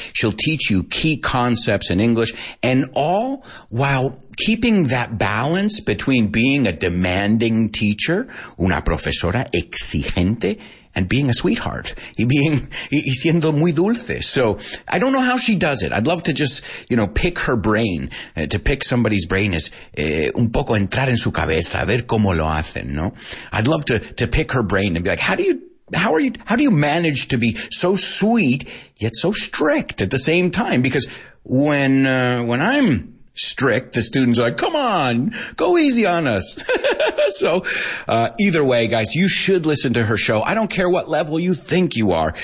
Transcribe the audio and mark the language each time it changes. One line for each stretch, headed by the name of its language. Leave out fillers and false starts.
English: She'll teach you key concepts in English, and all while keeping that balance between being a demanding teacher,
Spanish: una profesora exigente,
English: and being a sweetheart,
Spanish: y siendo muy dulce.
English: So I don't know how she does it. I'd love to just, you know, pick her brain. To pick somebody's brain is
Spanish: un poco entrar en su cabeza, a ver cómo lo hacen, ¿no?
English: I'd love to pick her brain and be like, how do you manage to be so sweet yet so strict at the same time? Because when I'm strict, the students are like, come on, go easy on us. So either way, guys, you should listen to her show. I don't care what level you think you are.